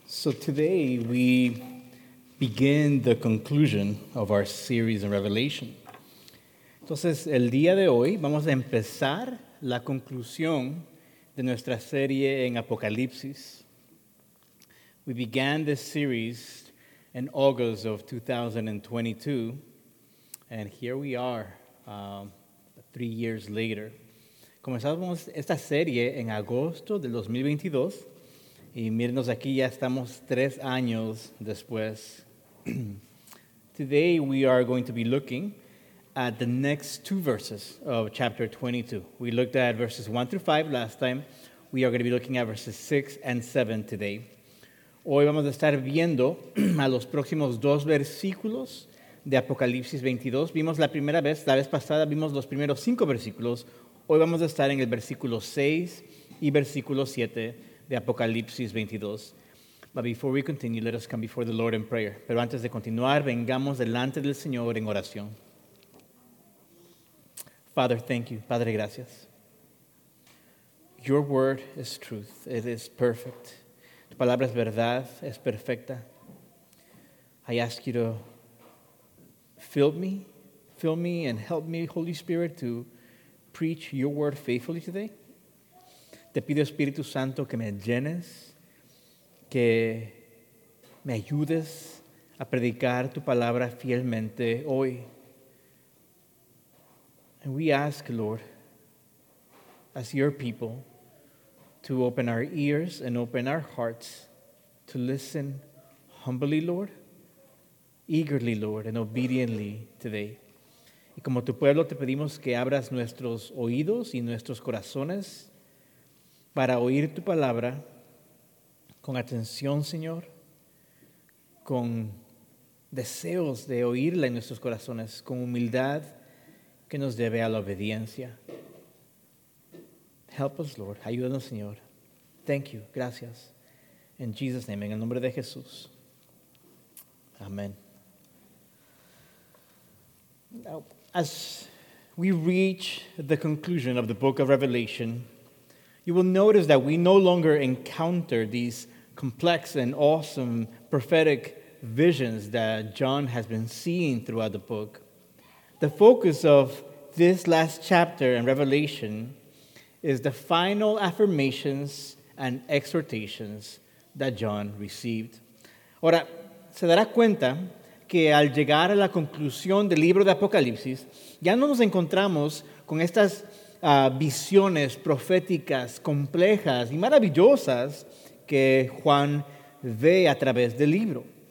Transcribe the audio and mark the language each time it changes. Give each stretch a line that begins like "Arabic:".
English: So today we begin the conclusion of our series in Revelation.
Spanish: Entonces, el día de hoy vamos a empezar la conclusión de nuestra serie en Apocalipsis.
English: We began this series in August of 2022, and here we are, 3 years later.
Spanish: Comenzamos esta serie en agosto del 2022. Y mírenos aquí, ya estamos 3 años después.
English: Today we are going to be looking at the next two verses of chapter 22. We looked at verses 1 through 5 last time. We are going to be looking at verses 6 and 7 today.
Spanish: Hoy vamos a estar viendo a los próximos dos versículos de Apocalipsis 22. Vimos la primera vez, la vez pasada vimos los primeros 5 versículos. Hoy vamos a estar en el versículo 6 y versículo 7. De Apocalipsis 22.
English: But before we continue, let us come before the Lord in prayer.
Spanish: Pero antes de continuar, vengamos delante del Señor en oración.
English: Father, thank you.
Spanish: Padre, gracias.
English: Your word is truth. It is perfect.
Spanish: Tu palabra es verdad, es perfecta.
English: I ask you to fill me and help me, Holy Spirit, to preach your word faithfully today.
Spanish: Te pido, Espíritu Santo, que me llenes, que me ayudes a predicar tu palabra fielmente hoy.
English: And we ask, Lord, as your people, to open our ears and open our hearts to listen humbly, Lord, eagerly, Lord, and obediently today.
Spanish: Y como tu pueblo, te pedimos que abras nuestros oídos y nuestros corazones para oír tu palabra con atención, Señor, con deseos de oírla en nuestros corazones, con humildad que nos debe a la obediencia.
English: Help us, Lord.
Spanish: Ayúdanos, Señor.
English: Thank you.
Spanish: Gracias.
English: In Jesus' name,
Spanish: en el nombre de Jesús. Amén.
English: Now, as we reach the conclusion of the book of Revelation, you will notice that we no longer encounter these complex and awesome prophetic visions that John has been seeing throughout the book. The focus of this last chapter in Revelation is the final affirmations and exhortations that John received.
Spanish: Ahora, se dará cuenta que al llegar a la conclusión del libro de Apocalipsis, ya no nos encontramos con estas visiones proféticas complejas y maravillosas que Juan ve a través del libro.